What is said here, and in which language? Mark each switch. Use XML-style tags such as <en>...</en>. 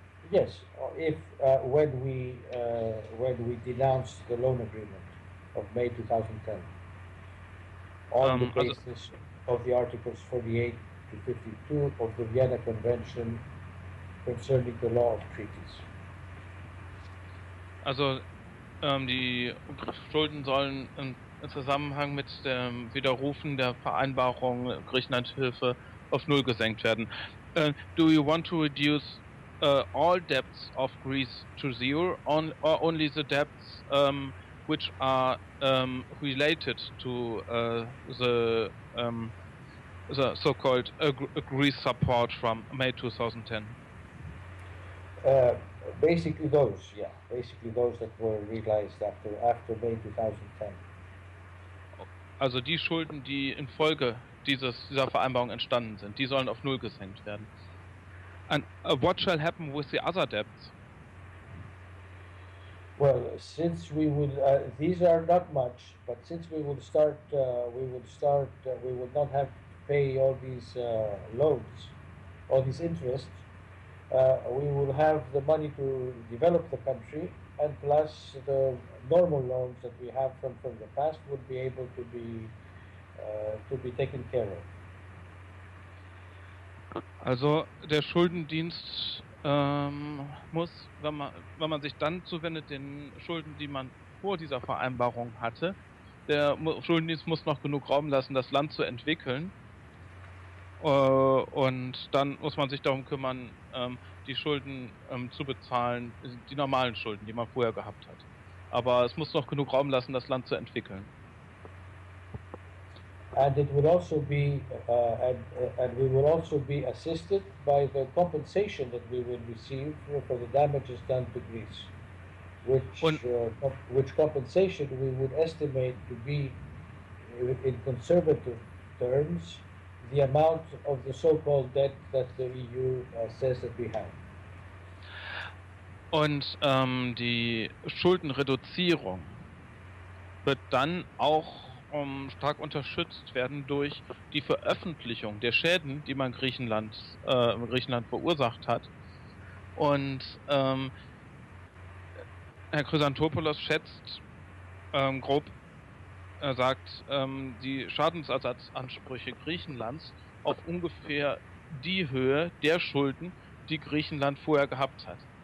<en>Yes, if when we denounced the loan agreement of May 2010 on the basis of the articles 48 to 52 of the Vienna Convention concerning the law of treaties.</en> <de>Also die Schulden sollen im Zusammenhang mit dem Widerrufen der Vereinbarung Griechenlandhilfe auf Null gesenkt werden.</de> <en>Do you want to reduce all debts of Greece to zero, or only the debts which are related to the so-called Greece support from May 2010? Basically those, yeah. Basically those that were realized after May 2010.</en> <de>Also die Schulden, die infolge dieser Vereinbarung entstanden sind, die sollen auf Null gesenkt werden.</de> <en>And what shall happen with the other debts? Well, since we will, these are not much, but since we will start, we will not have to pay all these loans, all these interests, we will have the money to develop the country, and plus the normal loans that we have from the past would be able to be taken care of.</en> <de>Also der Schuldendienst muss, wenn man sich dann zuwendet den Schulden, die man vor dieser Vereinbarung hatte, der Schuldendienst muss noch genug Raum lassen, das Land zu entwickeln. Und dann muss man sich darum kümmern, die Schulden zu bezahlen, die normalen Schulden, die man vorher gehabt hat. Aber es muss noch genug Raum lassen, das Land zu entwickeln.</de> <en>And it will also be, and we will also be assisted by the compensation that we will receive for the damages done to Greece, which compensation we would estimate to be, in conservative terms, the amount of the so-called debt that the EU says that we have.</en> <de>Und die Schuldenreduzierung wird dann auch stark unterstützt werden durch die Veröffentlichung der Schäden, die man Griechenland verursacht hat. Und Herr Chrysantopoulos schätzt grob, er sagt, die Schadensersatzansprüche Griechenlands auf ungefähr die Höhe der Schulden, die Griechenland vorher gehabt hat.</de>